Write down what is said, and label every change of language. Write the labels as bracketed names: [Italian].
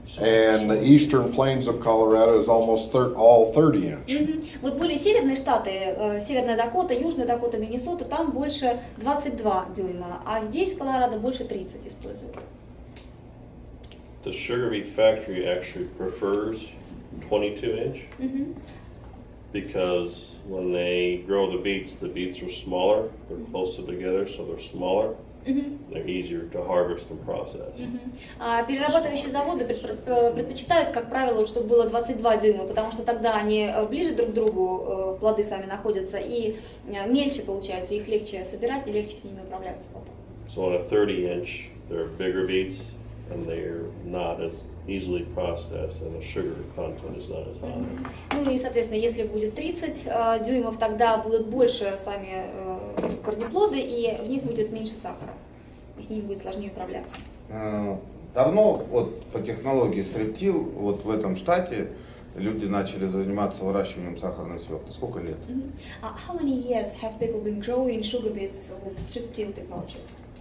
[English] And the eastern plains of Colorado is almost all 30 inch. Mm-hmm. [Russian] Вот более северные штаты, Северная Дакота, Южная Дакота, Миннесота, там больше 22 дюйма, а здесь в Колорадо больше 30 используют. [English] The sugar beet factory actually prefers 22 inch because when they grow the beets are smaller, they're closer together, so they're smaller. They're easier to harvest and process. [Russian] Перерабатывающие заводы предпочитают, как правило, чтобы было 22 дюйма, потому что тогда они ближе друг к другу, плоды сами находятся, и мельче получается, их легче собирать и легче с ними управляться потом. [English] So on a 30 inch, they're bigger beets, and they're not as easily processed, and the sugar content is not as high. [Russian] Ну и, соответственно, если будет 30 дюймов, тогда будут больше сами корнеплоды, и в них будет меньше сахара, и с ними будет сложнее управляться. Давно вот по технологии стриптил вот в этом штате люди начали заниматься выращиванием сахарной свеклы. Сколько лет? [English] How many years have people been growing sugar beets with strip-till technologies?